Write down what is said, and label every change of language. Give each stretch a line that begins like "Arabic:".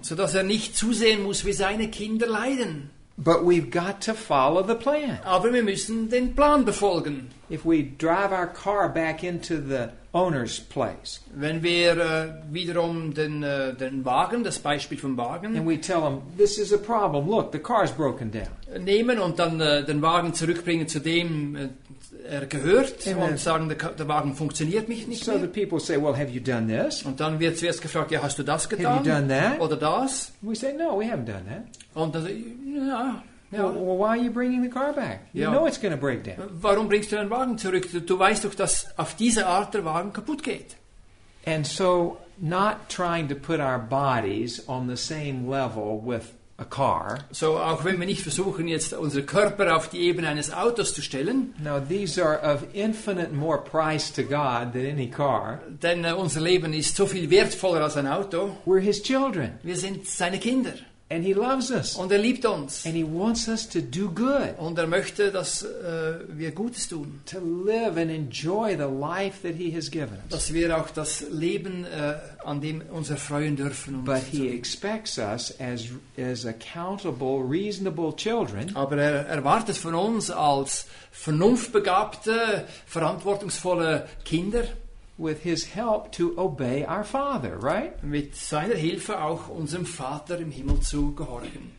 German: So dass er nicht zusehen muss, wie seine Kinder leiden.
English: But we've got to follow the plan.
German: Aber wir müssen den Plan befolgen.
English: If we drive our car back into the owner's place.
German: Wenn wir wiederum den Wagen, das Beispiel vom Wagen,
English: and we tell him, this is a problem. Look, the car's broken down.
German: Nehmen und dann den Wagen zurückbringen zu dem er gehört und sagen, der Wagen funktioniert mich nicht
English: so
German: mehr.
English: The people say, well, have you done this?
German: Und dann wird zuerst gefragt, ja, hast du das getan?
English: Have you done that?
German: Oder das?
English: We say, no, we haven't done that.
German: Und dann
English: no. Well, why are you bringing the car back? You know it's going to break down.
German: Warum bringst du den Wagen zurück? Du weißt doch, dass auf diese Art der Wagen kaputt geht.
English: And so, not trying to put our bodies on the same level with a car.
German: So auch wenn wir nicht versuchen jetzt unsere Körper auf die Ebene eines Autos zu stellen.
English: Now these are of infinite more price to God than any car.
German: Denn unser Leben ist so viel wertvoller als ein Auto.
English: We're his children.
German: Wir sind seine Kinder.
English: And he loves us.
German: Und er liebt uns.
English: And he wants us to do good.
German: Und er möchte, dass wir Gutes tun.
English: To live and enjoy the life that he has given us.
German: Dass wir auch das Leben an dem uns erfreuen dürfen.
English: But he expects us as accountable, reasonable children.
German: Aber er erwartet von uns als vernunftbegabte, verantwortungsvolle Kinder.
English: With his help to obey our Father, right?
German: Mit seiner Hilfe auch unserem Vater im Himmel zu gehorchen.